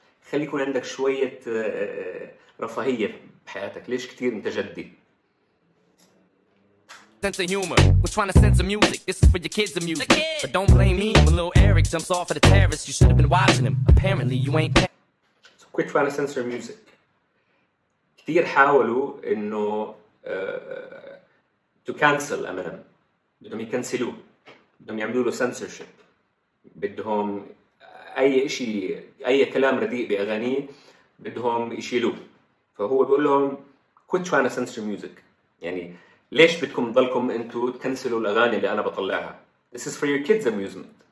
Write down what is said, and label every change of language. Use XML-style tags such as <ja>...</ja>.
<ar>خلي يكون عندك شوية رفاهية بحياتك. ليش كتير انت جدي؟</ar> <en>Sense of humor. We're trying to send some music. This is for your kids' music. But don't blame me when little Eric jumps off of the terrace. You should have been watching him. Apparently, you ain't. So quit trying to censor music.</en> <ar>كتير حاولوا إنه</ar> <en>to cancel Eminem.</en> <ar>بدهم يكنسلوه. بدهم يعملوا له censorship. بدهم أي إشي أي كلام رديء بأغانيه بدهم يشيلوه. فهو بيقول لهم</ar> <en>quit trying to censor music.</en> <ar>يعني ليش بدكم تضلكم انتم تكنسلوا الاغاني اللي انا بطلعها؟</ar> <en>This is for your kids amusement.</en>